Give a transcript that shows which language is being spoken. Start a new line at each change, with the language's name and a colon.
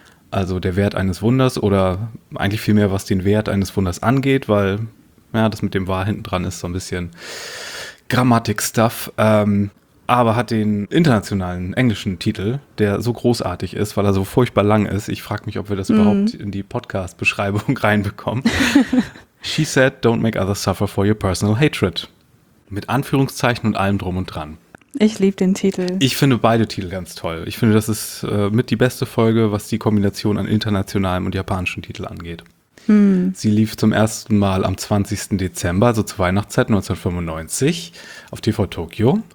German: Also der Wert eines Wunders oder eigentlich vielmehr, was den Wert eines Wunders angeht, weil ja, das mit dem Wahr hinten dran ist so ein bisschen Grammatik-Stuff. Aber hat den internationalen englischen Titel, der so großartig ist, weil er so furchtbar lang ist. Ich frage mich, ob wir das überhaupt in die Podcast-Beschreibung reinbekommen.
English: She said, don't make others suffer for your personal hatred.
German: Mit Anführungszeichen und allem drum und dran. Ich liebe den Titel. Ich finde beide Titel ganz toll. Ich finde, das ist mit die beste Folge, was die Kombination an internationalem und japanischen Titel angeht. Sie lief zum ersten Mal am 20. Dezember, also zur Weihnachtszeit 1995, auf TV Tokio.